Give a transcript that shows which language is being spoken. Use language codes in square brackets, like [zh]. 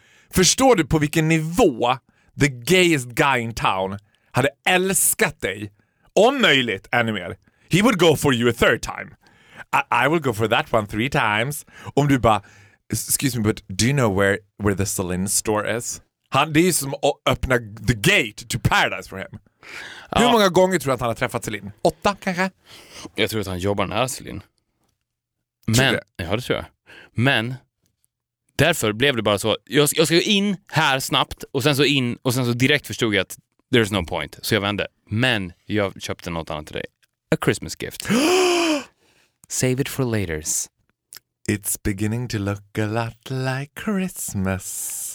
[sv] Förstår du på vilken nivå [en] the gayest guy in town [sv] hade älskat dig? Om möjligt, ännu mer. [en] He would go for you a third time. I will go for that one 3 times. [sv] Om du bara, [en] excuse me, but do you know where the Celine store is? [sv] Han, det är som att öppna [en] the gate to paradise for him. [sv] Ja. Hur många gånger tror du att han har träffat Celine? 8 kanske? Jag tror att han jobbar nära Celine. Men, ja, det tror jag. Men därför blev det bara så. Jag ska in här snabbt och sen så in och sen så direkt förstod jag att [en] there's no point. [sv] Så jag vände. Men jag köpte något annat till dig. [en] A Christmas gift. Save it for laters. It's beginning to look a lot like Christmas.